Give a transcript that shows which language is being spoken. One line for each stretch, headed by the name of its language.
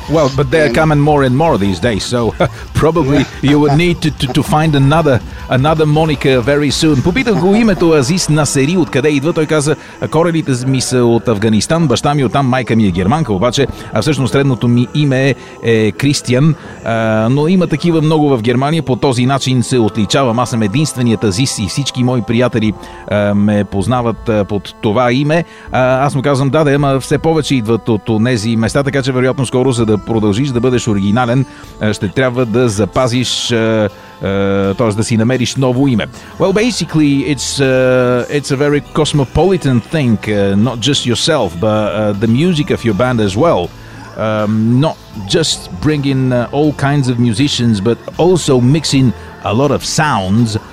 English: Well, but they're coming more and more these days. So probably you would need to find another moniker very soon.
Bulgarian: Попитах го името Азис Насери, откъде идва. Той каза, корените ми са от Афганистан, баща ми оттам, майка ми е германка, обаче, а всъщност средното ми име е Кристиан, но има такива много в Германия, по този начин се отличавам. Аз съм единственият Азис и всички мои приятели ме познават под това име. Аз му казвам, да, ама все повече идват от тези места, така че вероятно скоро, за да продължиш да бъдеш оригинален, ще трябва да запазиш... Тоест да си намериш ново име.
English: Well, basically, it's a very cosmopolitan thing, not just yourself, but the music of your band as well. Not just bringing all kinds of musicians, but also mixing a lot of sounds.